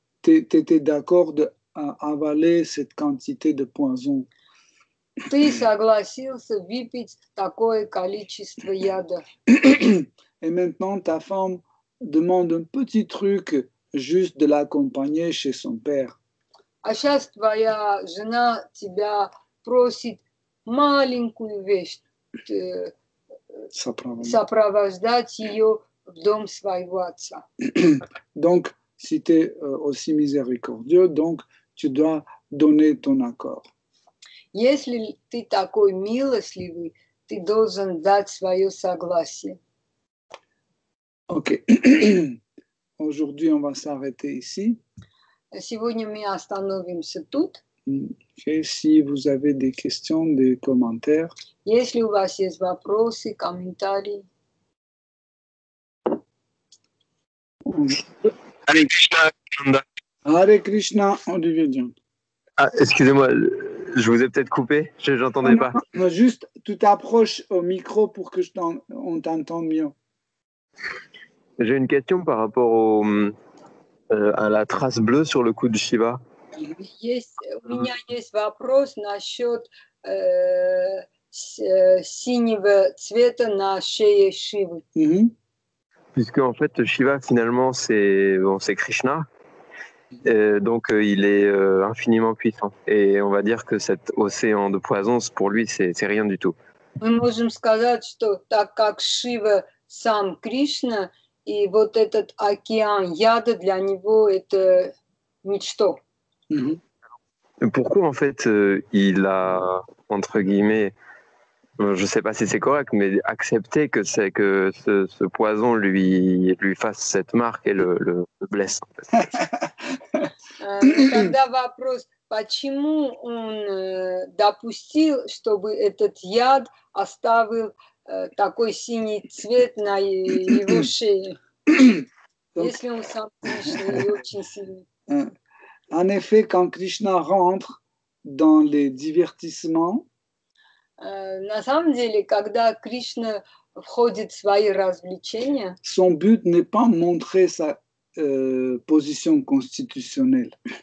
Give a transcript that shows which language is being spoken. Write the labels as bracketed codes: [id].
[fr] T'étais d'accord d'avaler cette quantité de poison. [ru] Ты согласился выпить такое количество яда. [fr] Et maintenant, ta femme demande un petit truc juste de l'accompagner chez son père. [ru] А сейчас твоя жена тебя просит маленькую вещь сопровождать ее в дом своего отца. [fr] Donc, si tu es aussi miséricordieux, donc tu dois donner ton accord. [ru] Если ты такой милостливый, ты должен дать свое согласие. Ok. [fr] Aujourd'hui, on va s'arrêter ici. [ru] Сегодня мы остановимся тут. [fr] Et si vous avez des questions, des commentaires. [ru] Если у вас есть вопросы, комментарии. [fr] Hare Krishna. Hare Krishna, Olivier Dion. Ah, excusez-moi, je vous ai peut-être coupé, je n'entendais pas. Non, juste, tu t'approches au micro pour que on t'entende mieux. J'ai une question par rapport au, à la trace bleue sur le cou de Shiva. [ru] У меня есть вопрос насчет синего цвета на шее Шивы. [fr] Puisque en fait Shiva finalement c'est Krishna, donc il est infiniment puissant. Et on va dire que cet océan de poison pour lui c'est rien du tout. [ru] Мы можем сказать, что так как Шива сам Кришна, и вот этот океан яда для него – это ничто. [fr] Pourquoi, en fait, il a, entre guillemets, je ne sais pas si c'est correct, mais accepter que, c'est, que ce poison lui fasse cette marque et le blesse, en fait. [ru] Тогда вопрос, почему он допустил, чтобы этот яд оставил такой синий цвет на его шее? Если он сам Кришна и очень сильный. [fr] En effet, quand Krishna rentre dans les divertissements, [ru] на самом деле, когда Кришна входит в свои развлечения, [fr] son but n'est pas montrer sa position constitutionnelle.